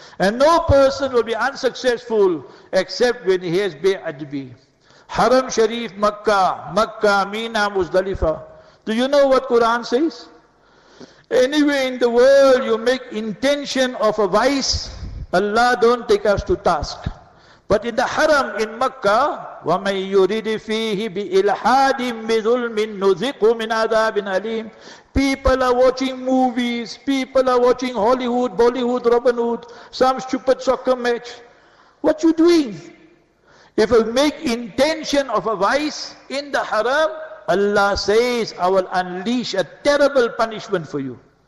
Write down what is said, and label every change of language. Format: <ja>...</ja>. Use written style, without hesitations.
<en>And no person will be unsuccessful except when he has bi adbi. Haram Sharif, Makkah, Makkah, Mina, Muzdalifa. Do you know what Quran says? Anywhere in the world you make intention of a vice, Allah don't take us to task. But in the haram in Makkah,</en> <ar>وَمَنْ يُرِدِ فِيهِ بِإِلْحَادٍ بِذُلْمٍ نُذِقُ مِنْ عَذَابٍ أَلِيمٍ.</ar> <en>People are watching movies, people are watching Hollywood, Bollywood, Robin Hood, some stupid soccer match. What you doing? If you make intention of a vice in the haram, Allah says, I will unleash a terrible punishment for you.</en>